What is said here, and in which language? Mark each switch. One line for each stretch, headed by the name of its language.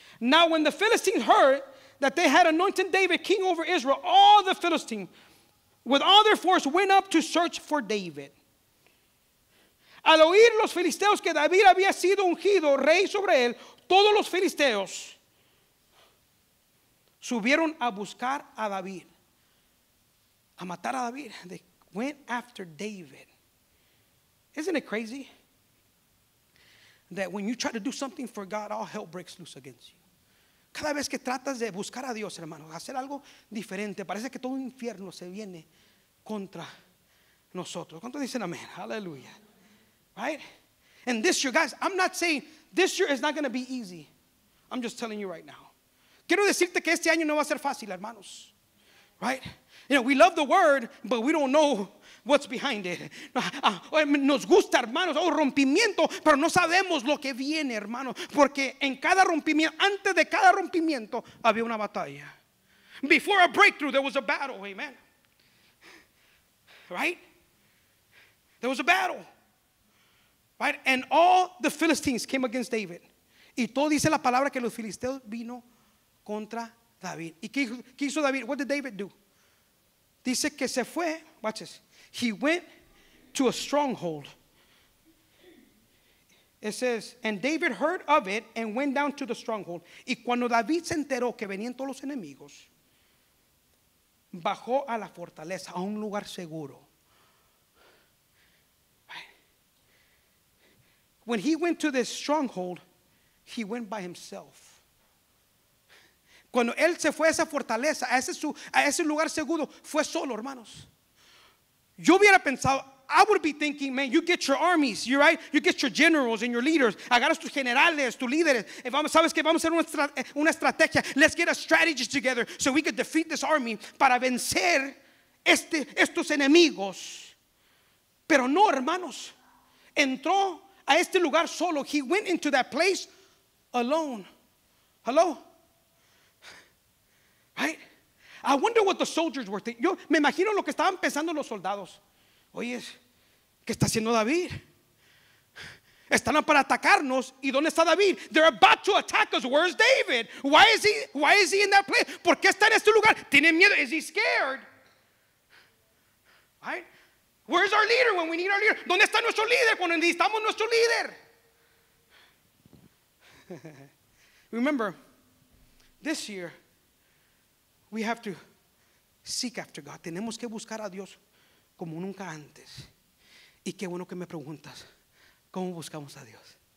English: Now when the Philistines heard that they had anointed David king over Israel, all the Philistines with all their force went up to search for David.
Spanish: Al oír los filisteos que David había sido ungido rey sobre él, todos los filisteos subieron a buscar a David. A matar a David.
English: They went after David. Isn't it crazy that when you try to do something for God, all hell breaks loose against you?
Spanish: Cada vez que tratas de buscar a Dios, hermano, hacer algo diferente, parece que todo un infierno se viene contra nosotros. ¿Cuántos dicen amén? Hallelujah. Right?
English: And this year, guys, I'm not saying this year is not going to be easy. I'm just telling you right now.
Spanish: Quiero decirte que este año no va a ser fácil, hermanos.
English: Right? You know, we love the word, but we don't know what's behind it.
Spanish: Nos gusta, hermanos, rompimiento, pero no sabemos lo que viene, hermano, porque en cada rompimiento, antes de cada rompimiento, había una batalla.
English: Before a breakthrough, there was a battle, amen. Right? There was a battle. Right? And all the Philistines came against David.
Spanish: Y todo dice la palabra que los filisteos vino contra David. ¿Y qué hizo David?
English: What did David do?
Spanish: Dice que se fue,
English: watch this. He went to a stronghold. It says, and David heard of it and went down to the stronghold.
Spanish: Y cuando David se enteró que venían todos los enemigos, bajó a la fortaleza, a un lugar seguro.
English: When he went to this stronghold, he went by himself.
Spanish: Cuando él se fue a esa fortaleza, a ese lugar seguro, fue solo, hermanos. Yo hubiera pensado,
English: I would be thinking, man, you get your armies, you're right? You get your generals and your leaders.
Spanish: Agarras tus generales, tus líderes. Sabes que vamos a hacer una estrategia.
English: Let's get a strategy together so we could defeat this army
Spanish: para vencer estos enemigos. Pero no, hermanos. Entró a este lugar solo.
English: He went into that place alone. Hello? Right? I wonder what the soldiers were thinking.
Spanish: Yo me imagino lo que estaban pensando los soldados. Oye, ¿qué está haciendo David? Están para atacarnos. ¿Y dónde está David?
English: They're about to attack us. Where's David? Why is he in that place?
Spanish: ¿Por qué está en este lugar? ¿Tiene miedo?
English: Is he scared? Right? Where's our leader when we need our leader?
Spanish: ¿Dónde está nuestro líder cuando necesitamos nuestro líder?
English: Remember, this year, we have to seek after God.
Spanish: Tenemos que buscar a Dios como nunca antes. Y qué bueno que me preguntas, ¿cómo buscamos a Dios?